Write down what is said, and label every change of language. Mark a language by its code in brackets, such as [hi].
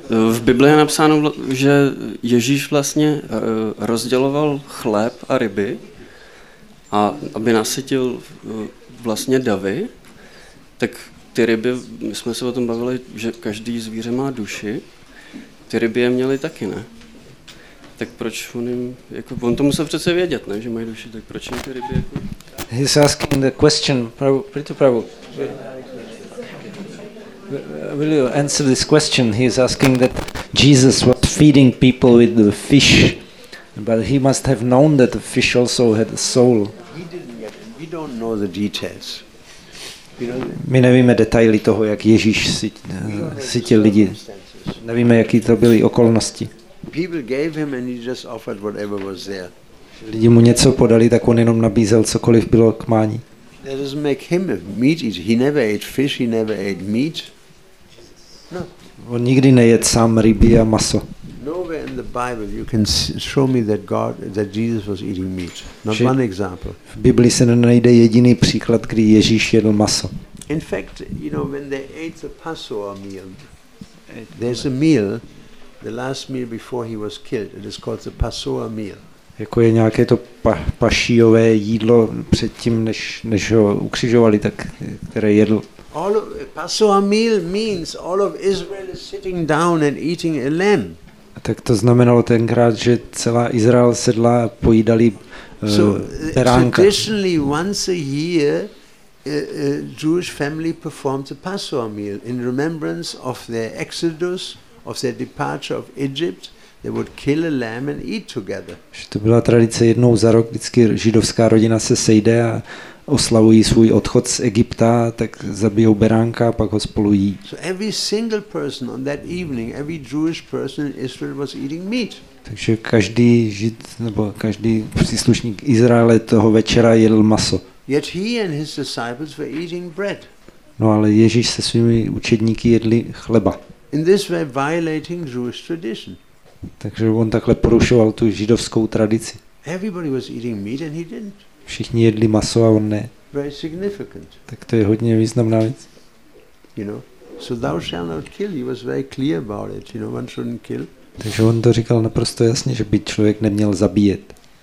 [cs] V Bibli je napsáno, že Ježíš vlastně rozděloval chléb a ryby, a aby nasytil vlastně davy, tak ty ryby, my jsme se o tom bavili, že každý zvíře má duši, ty ryby je měly taky, ne? Tak proč on jim, jako, on to musel přece vědět, ne, že mají duši, tak proč jim ty ryby jako... [en] He's asking the question, Prabhu. Will you answer this question? He's asking that Jesus was feeding people with the fish, but he must have known that the fish also had a soul. He didn't get it. We don't know the details. [cs] My nevíme detaily toho, jak Ježíš sytil lidi. Nevíme, jaký to byly okolnosti. [en] People gave him and he just offered whatever was there. [cs] Lidi mu něco podali, tak on jenom nabízel cokoliv bylo k mání. [en] That doesn't make him a meat eater. He never ate fish, he never ate meat. [cs] No. On nikdy nejed sám ryby a maso. [en] Nowhere in the Bible you can show me that God, that Jesus was eating meat. Not one example. [cs] V Bibli se nenajde jediný příklad, kdy Ježíš jedl maso. [en] In fact, you know, when they ate the Passover meal, there's a meal, the last meal before he was killed. It is called the Passover meal. [cs] Jako je nějaké to pašíjové jídlo předtím, než ho ukřižovali, tak které jedl. [en] Passover meal means all of Israel is sitting down and eating a lamb. [cs] Tak to znamenalo tenkrát, že celá Izrael sedla a pojídali beránka. [en] Traditionally once a year a Jewish family performed the Passover meal in remembrance of their exodus, of their departure of Egypt. They would kill a lamb and eat together. [cs] To byla tradice, jednou za rok vždycky židovská rodina se sejde a oslavují svůj odchod z Egypta, tak zabijou beránka a pak ho spolu jí. [en] So every single person on that evening, every Jewish person in Israel was eating meat. [cs] Takže každý žid nebo každý příslušník Izraele toho večera jedl maso. [en] Yet he and his disciples were eating bread. [cs] No, ale Ježíš se svými učedníky jedli chleba. [en] In this way violating Jewish tradition. [cs] Takže on takhle porušoval tu židovskou tradici. [en] Everybody was eating meat and he didn't. [cs] Všichni jedli maso a on ne. [en] Very significant. [cs] Tak to je hodně významná věc. [en] You know, so thou shalt not kill. He was very clear about it. You know, one shouldn't kill. [cs] Takže on to říkal naprosto jasně, že by člověk neměl zabíjet.